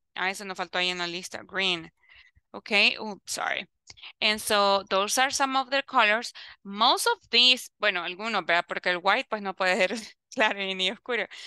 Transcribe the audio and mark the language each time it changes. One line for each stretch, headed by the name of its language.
Spanish: Ah, eso nos faltó ahí en la lista, green.
English: Okay, oops, sorry. And so, those are some of the colors. Most of these,
Spanish: bueno, algunos, ¿verdad? Porque el white, pues no puede ser claro ni oscuro.